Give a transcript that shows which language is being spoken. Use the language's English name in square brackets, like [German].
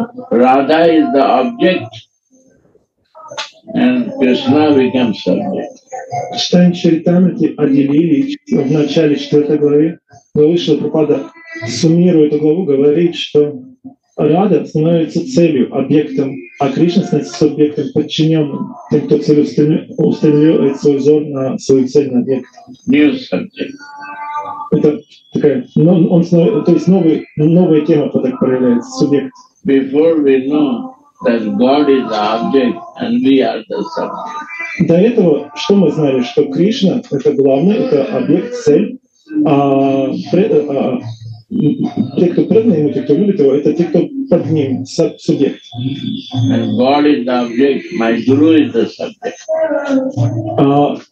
[English] Radha is the object and Krishna becomes subject. [Russian] Читаем Чайтанати Адилили в начале четвертой главы. Главы Шрила Прабхупада суммирует эту главу, говорит, что Радха становится целью, объектом, а Кришна становится субъектом, подчиненным тем, кто устремляет свой взор на свою цель, на объект. [English] New subject. [Russian] Это такая, то есть новая тема так проявляется, субъект. [English] Before we know that God is the object and we are the subject. [Russian] До этого что мы знали, что Кришна — это главное, это объект, цель, а те, кто преданы ему, те, кто любит его, это те, кто под ним, субъект. [English] And God is the object, my guru is the subject.